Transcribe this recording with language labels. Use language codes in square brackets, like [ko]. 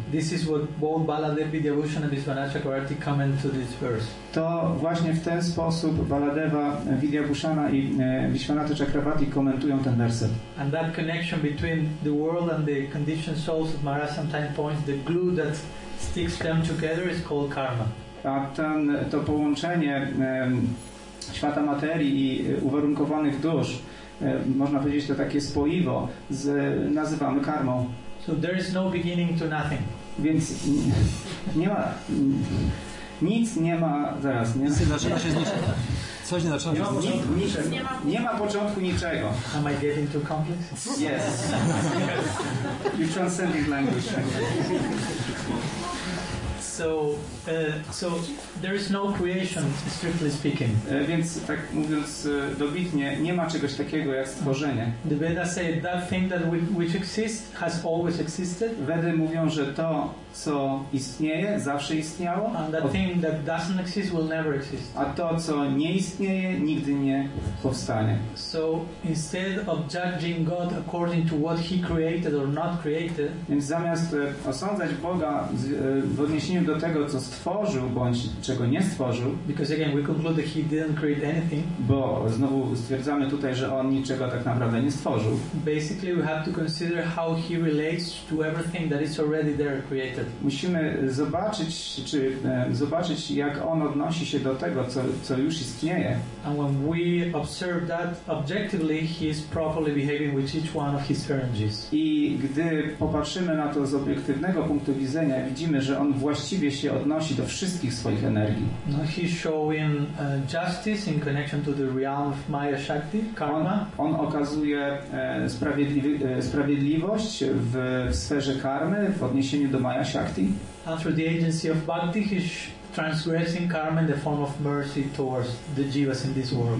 [en] This is what both Baladeva Vidyabhushan and Vishvanathakarati comment to this verse. [pl] To właśnie w ten sposób Baladeva Vidyabhushana i Vishvanathakarati komentują ten werset. [en] And that connection between the world and the conditioned souls of Marasantine points, the glue that sticks them together is called karma. [pl] A to połączenie świata materii i uwarunkowanych dusz, można powiedzieć, to takie spoiwo, nazywamy karmą. [en] So there is no beginning to nothing. [pl] Więc nie ma, nic nie ma, zaraz, nie? Nic nie zaczyna się z niczego. Coś nie zaczyna się z niczego. Nie ma początku niczego. [en] Am I getting too complex? Yes. You transcending language. So there is no creation, strictly speaking. [pl] Więc tak mówiąc dobitnie, nie ma czegoś takiego jak stworzenie. [en] The Vedas say that thing that which exists has always existed. [pl] Wedy mówią, że to, co istnieje, zawsze istniało. [en] And that thing that doesn't exist will never exist. [pl] A to, co nie istnieje, nigdy nie powstanie. [en] So instead of judging God according to what He created or not created. [pl] Więc zamiast osądzać Boga w odniesieniu do tego, co stworzył bądź czego nie stworzył. [en] Because again, we conclude that he didn't create anything. [pl] Bo znowu stwierdzamy tutaj, że on niczego tak naprawdę nie stworzył. [en] Basically, we have to consider how he relates to everything that is already there created. [pl] Musimy zobaczyć, zobaczyć, jak on odnosi się do tego, co już istnieje. [en] And when we observe that objectively, he is properly behaving with each one of his energies. [pl] I gdy popatrzymy na to z obiektywnego punktu widzenia, widzimy, że on właściwie się odnosi do wszystkich swoich energii. [en] No, he's showing justice in connection to the realm of Maya Shakti, karma. [pl] On okazuje sprawiedliwość w sferze karmy w odniesieniu do Maya Shakti. [en] And through the agency of bhakti, he's transgressing karma in the form of mercy towards the jivas in this world.